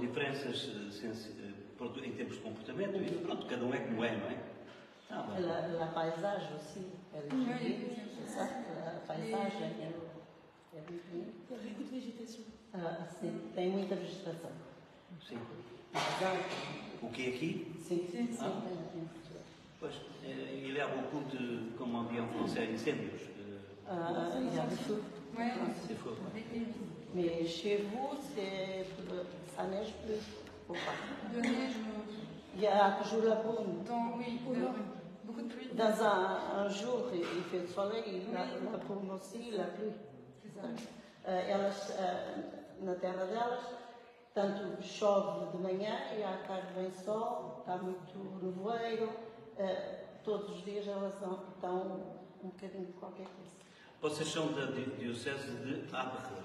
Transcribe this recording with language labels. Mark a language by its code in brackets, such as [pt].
[pt] diferenças em termos de comportamento. E pronto, cada um é como é, não é? [fr] La paysage aussi, elle est jolie, c'est ça, la paysage, elle est jolie. Il y a beaucoup de végétation. Ah, il y a beaucoup de végétation. Oui. Ok, ici? Oui. Il y a beaucoup de, comme on dit en français, incendios. Il y a des feux. Oui, des feux. Mais chez vous, ça neige plus ou pas? De neige, non. Il y a toujours la boue. Oui, beaucoup de pluie. Dans un jour, il fait le soleil, oui, la boue aussi, la pluie. C'est ça. [pt] Elles, na terra delas, tanto chove de manhã e à tarde vem sol, está muito nevoeiro. Todos os dias elas estão um bocadinho de qualquer coisa. Vocês são da Diocese de Abra.